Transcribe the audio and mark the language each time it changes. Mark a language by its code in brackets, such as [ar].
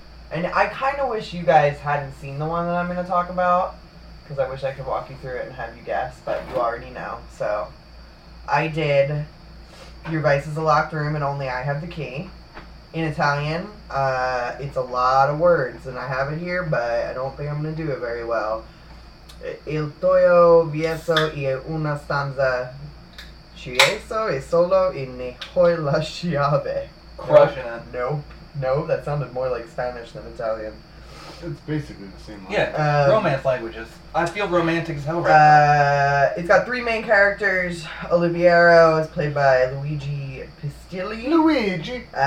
[en] And I kind of wish you guys hadn't seen the one that I'm going to talk about, because I wish I could walk you through it and have you guess, but you already know. So, I did Your Vice is a Locked Room and Only I Have the Key in Italian. It's a lot of words, and I have it here, but I don't think I'm going to do it very well. [it] Il tuo viso è una stanza chiusa e solo in ne hoi la chiave. [en] Crushing it. Nope. No, that sounded more like Spanish than Italian. It's basically the same language. Yeah, romance languages. I feel romantic as hell right now. It's got three main characters. Oliviero is played by Luigi Pistilli. Luigi!